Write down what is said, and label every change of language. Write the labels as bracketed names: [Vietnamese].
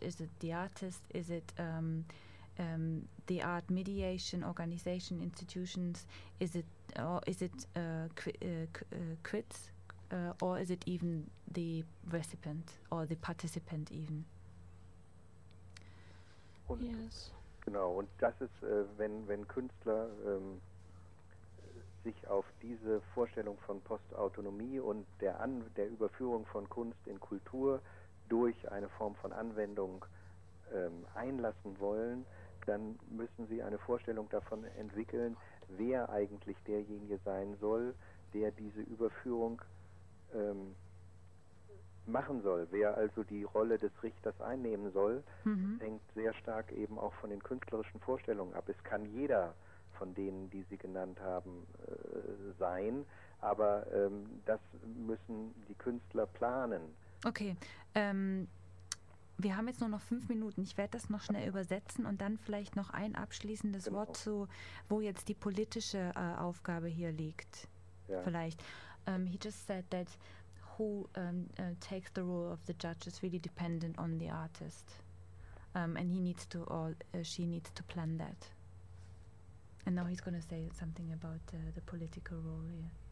[English] Is it the artist? Is it the art mediation organization institutions? Is it or is it crits, or is it even the recipient or the participant even? [German] Und yes. Genau. Und das ist, wenn Künstler sich auf diese Vorstellung von Postautonomie und der Überführung von Kunst in Kultur durch eine Form von Anwendung einlassen wollen, dann müssen sie eine Vorstellung davon entwickeln, wer eigentlich derjenige sein soll, der diese Überführung machen soll. Wer also die Rolle des Richters einnehmen soll, hängt sehr stark eben auch von den künstlerischen Vorstellungen ab. Es kann jeder von denen, die Sie genannt haben, sein. Aber das müssen die Künstler planen. Okay, wir haben jetzt nur noch 5 Minuten. Ich werde das noch schnell übersetzen und dann vielleicht noch ein abschließendes Wort zu, wo jetzt die politische Aufgabe hier liegt. Ja. Vielleicht. [English] He just said that who takes the role of the judge is really dependent on the artist. And he needs to, or she needs to plan that. And now he's going to say something about the political role here.